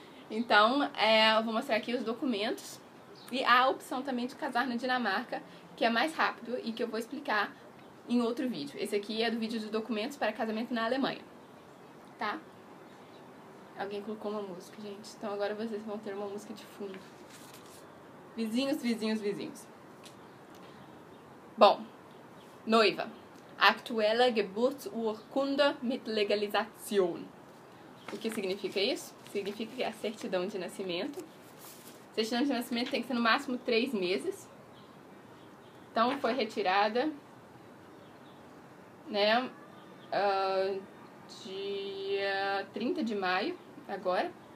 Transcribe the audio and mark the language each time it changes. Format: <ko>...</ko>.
<pt>Então, eu vou mostrar aqui os documentos e a opção também de casar na Dinamarca, que é mais rápido e que eu vou explicar em outro vídeo. Esse aqui é do vídeo dos documentos para casamento na Alemanha. tá? Alguém colocou uma música, gente. Então agora vocês vão ter uma música de fundo. Vizinhos, vizinhos, vizinhos. Bom, noiva.</pt> <de>Aktuelle Geburtsurkunde mit Legalisation.</de> <pt>O que significa isso? Significa que a certidão de nascimento. Certidão de nascimento tem que ser no máximo 3 meses. Então foi retirada, né, dia 30 de maio, agora.</pt>